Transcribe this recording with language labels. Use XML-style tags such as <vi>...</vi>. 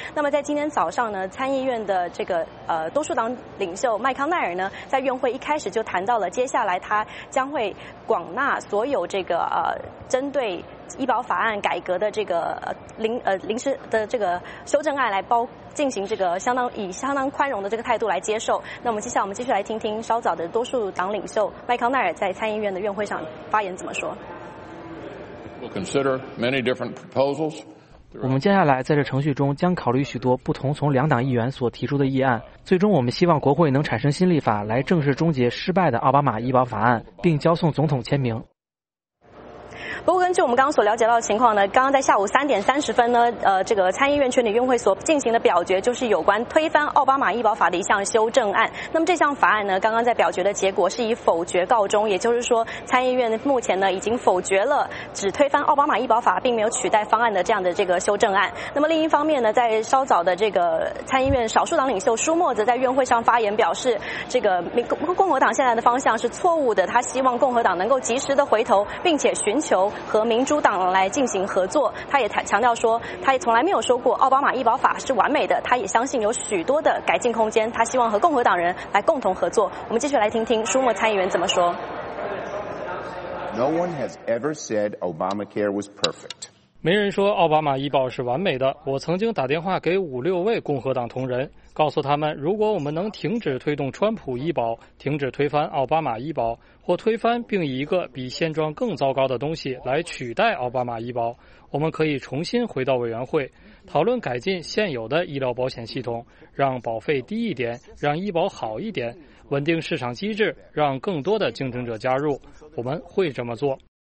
<zh>那么在今天早上呢，参议院的这个多数党领袖麦康奈尔呢，在院会一开始就谈到了接下来他将会广纳所有这个针对医保法案改革的这个临时的这个修正案来包进行这个相当宽容的这个态度来接受。那我们接下来继续来听听稍早的多数党领袖麦康奈尔在参议院的院会上发言怎么说。</zh> <en>We'll consider many different proposals.</en> <zh>我们接下来在这程序中将考虑许多不同从两党议员所提出的议案，最终我们希望国会能产生新立法来正式终结失败的奥巴马医保法案，并交送总统签名。不过根据我们刚刚所了解到的情况呢，刚刚在下午3:30呢，这个参议院全体院会所进行的表决就是有关推翻奥巴马医保法的一项修正案。那么这项法案呢，刚刚在表决的结果是以否决告终，也就是说参议院目前呢已经否决了只推翻奥巴马医保法并没有取代方案的这样的这个修正案。那么另一方面呢，在稍早的这个参议院少数党领袖舒默则在院会上发言表示，这个共和党现在的方向是错误的，他希望共和党能够及时的回头，并且寻求和民主党来进行合作。他也强调说，他也从来没有说过奥巴马医保法是完美的，他也相信有许多的改进空间，他希望和共和党人来共同合作。我们继续来听听舒默参议员怎么说。</zh> <en>No one has ever said Obamacare was perfect.</en> <zh>没人说奥巴马医保是完美的。我曾经打电话给5-6位共和党同仁，告诉他们，如果我们能停止推动川普医保，停止推翻奥巴马医保，或推翻并以一个比现状更糟糕的东西来取代奥巴马医保，我们可以重新回到委员会，讨论改进现有的医疗保险系统，让保费低一点，让医保好一点，稳定市场机制，让更多的竞争者加入，我们会这么做。</zh>